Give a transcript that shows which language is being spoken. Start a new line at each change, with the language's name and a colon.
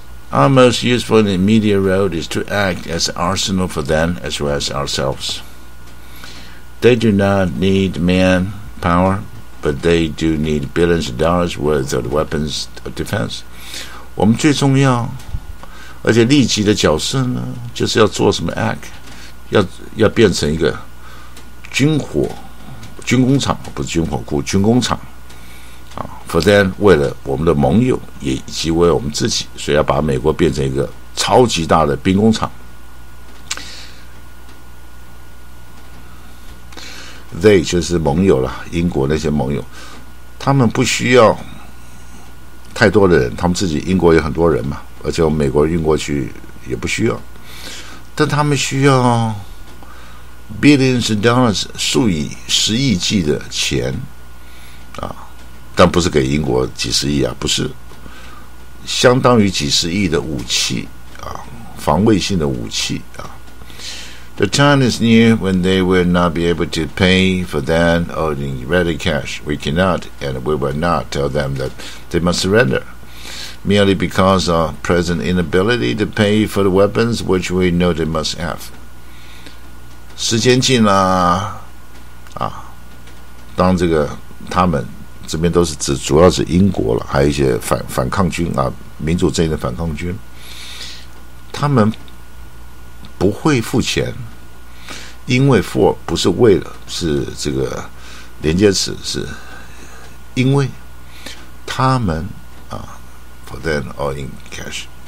English: Our most useful and immediate role is to act as an arsenal for them as well as ourselves. They do not need manpower, but they do need billions of dollars worth of weapons of defense.
Chinese: 我们最重要，而且立即的角色呢，就是要做什么 act， 要变成一个军火军工厂，不是军火库，军工厂啊。否则为了我们的盟友也以及为我们自己，所以要把美国变成一个超级大的兵工厂。 They 就是盟友了，英国那些盟友，他们不需要太多的人，他们自己英国有很多人嘛，而且我们美国运过去也不需要，但他们需要
English: billions of dollars
Chinese: 数以十亿计的钱啊，但不是给英国几十亿啊，不是，相当于几十亿的武器啊，防卫性的武器啊。
English: The time is near when they will not be able to pay for that or in ready cash. We cannot and we will not tell them that they must surrender merely because of present inability to pay for the weapons which we know they must have.
Chinese: 时间近了啊，当这个他们这边都是指主要是英国了，还有一些反抗军啊，民主阵营的反抗军，他们不会付钱，因为 for 不是为了，是这个连接词，是因为他们啊
English: for them all in cash